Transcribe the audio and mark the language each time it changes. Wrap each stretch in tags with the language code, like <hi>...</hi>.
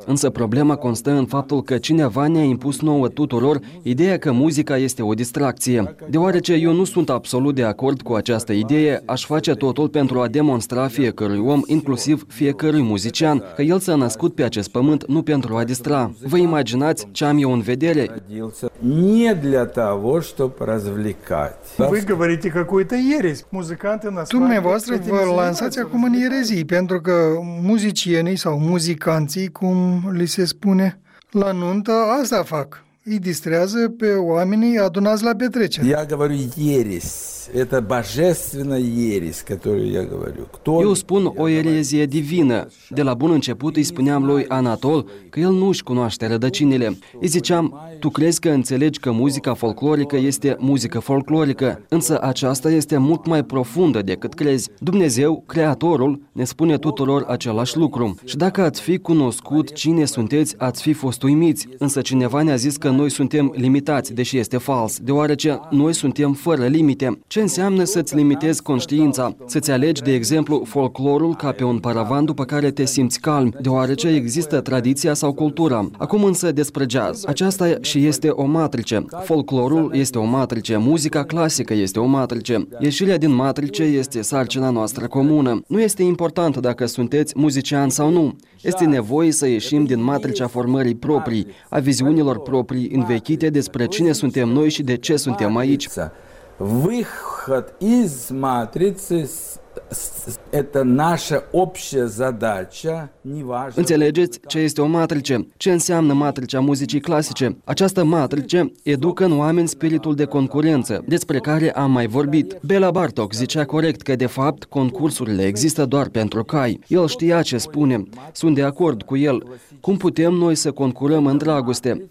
<ro>Însă problema constă în faptul că cineva ne-a impus nouă tuturor ideea că muzica este o distracție. Deoarece eu nu sunt absolut de acord cu această idee, aș face totul pentru a demonstra fiecărui om, inclusiv fiecărui muzician, că el s-a născut pe acest pământ nu pentru a distra. Vă imaginați ce am eu în vedere?</ro> <ru>Не для того, чтобы развлекать. Вы говорите какую-то ересь. Музыканты на свадьбе.</ru> <ro>Dumneavoastră vă lansați acum în erezii, pentru că muzicienii sau muzicanții, cum li se spune, La nuntă asta fac. Îi distrează pe oamenii adunați la petrecere.</ro> <ru>Я говорю ересь. Это божественная ересь, которую я говорю. Кто?</ru> <ro>Eu spun o erezie divină. De la bun început îi spuneam lui Anatol că el nu își cunoaște rădăcinile. Îi ziceam: "Tu crezi că înțelegi că muzica folclorică este muzică folclorică, însă aceasta este mult mai profundă decât crezi. Dumnezeu, Creatorul, ne spune tuturor același lucru. Și dacă ați fi cunoscut cine sunteți, ați fi fost uimiți, însă cineva ne-a zis că noi suntem limitați, deși este fals, deoarece noi suntem fără limite. Ce înseamnă să-ți limitezi conștiința? Să-ți alegi, de exemplu, folclorul ca pe un paravan după care te simți calm, deoarece există tradiția sau cultura. Acum însă despre jazz. Aceasta și este o matrice. Folclorul este o matrice, muzica clasică este o matrice. Ieșirea din matrice este sarcina noastră comună. Nu este important dacă sunteți muzician sau nu. Este nevoie să ieșim din matricea formării proprii, a viziunilor proprii, învechite despre cine suntem noi și de ce suntem aici.</ro> <ru>Выход из матрицы это наша общая задача.</ru> <ro>Înțelegeți ce este o matrice? Ce înseamnă matricea muzicii clasice? Această matrice educă în oameni spiritul de concurență, despre care am mai vorbit. Béla Bartók zicea corect că, de fapt, concursurile există doar pentru cai. El știa ce spune. Sunt de acord cu el. Cum putem noi să concurăm în dragoste?</ro>